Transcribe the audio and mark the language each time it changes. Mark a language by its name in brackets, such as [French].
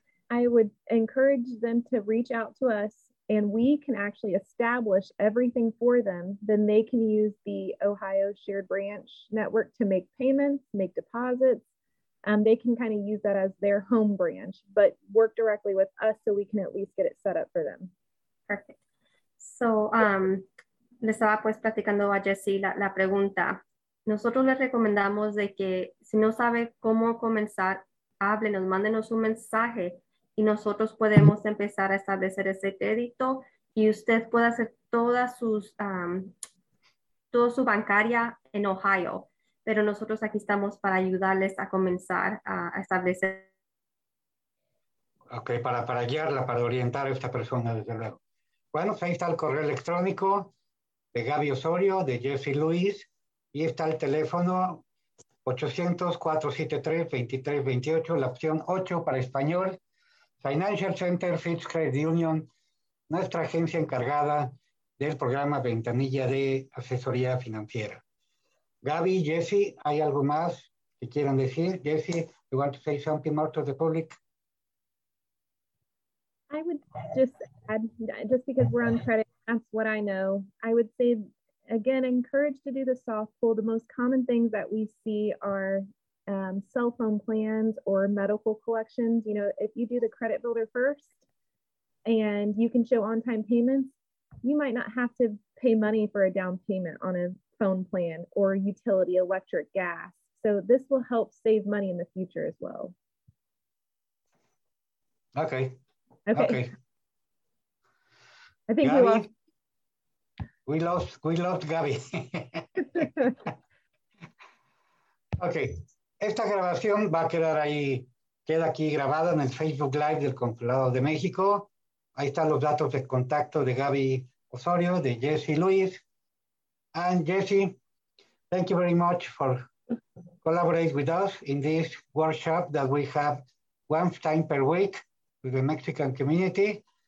[English] I would encourage them to reach out to us, and we can actually establish everything for them. Then they can use the Ohio Shared Branch Network to make payments, make deposits. They can kind of use that as their home branch, but work directly with us so we can at least get it set up for them. Perfect. [Spanish] So, le estaba pues platicando a Jessie la pregunta. Nosotros le recomendamos de que si no sabe cómo comenzar, háblenos, mándenos un mensaje. Y nosotros podemos empezar a establecer ese crédito y usted puede hacer todas sus toda su bancaria en Ohio, pero nosotros aquí estamos para ayudarles a comenzar a establecer. Ok, para guiarla, para orientar a esta persona, desde luego. Bueno, ahí está el correo electrónico de Gaby Osorio, de Jesse Luis, y está el teléfono 800-473-2328, la opción 8 para español. Financial Center, Fitch Credit Union, nuestra agencia encargada del programa Ventanilla de Asesoría Financiera. Gaby, Jesse, ¿hay algo más que quieran decir? [English] Jesse, you want to say something more to the public? I would just add, just because we're on credit, that's what I know. I would say, again, encourage to do the soft pull. The most common things that we see are cell phone plans or medical collections. You know, if you do the credit builder first and you can show on-time payments, you might not have to pay money for a down payment on a phone plan or utility, electric, gas. So this will help save money in the future as well. Okay. I think Gaby, we lost Gaby. Okay. [Spanish] Esta grabación va a quedar ahí, queda aquí grabada en el Facebook Live del Consulado de México. Ahí están los datos de contacto de Gaby Osorio, de Jesse Luis. [English] And Jesse, thank you very much for collaborating with us in this workshop that we have one time per week with the Mexican community.